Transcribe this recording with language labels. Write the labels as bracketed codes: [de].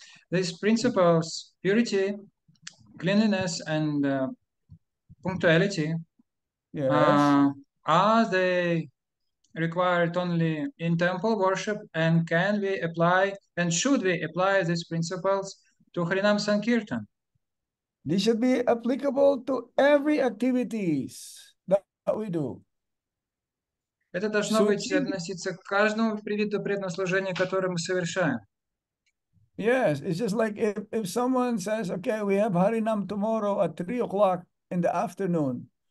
[en] these principles, purity, cleanliness, and punctuality, are they required only in temple worship, and can we apply, and should we apply these principles to Harinam Sankirtan? This should be applicable to every activities that we do. [ru] Это должно быть относиться к каждому виду преданного служения, которое мы совершаем. [en] Yes, it's just like if someone says, okay, we have Harinam tomorrow at 3 o'clock in the afternoon.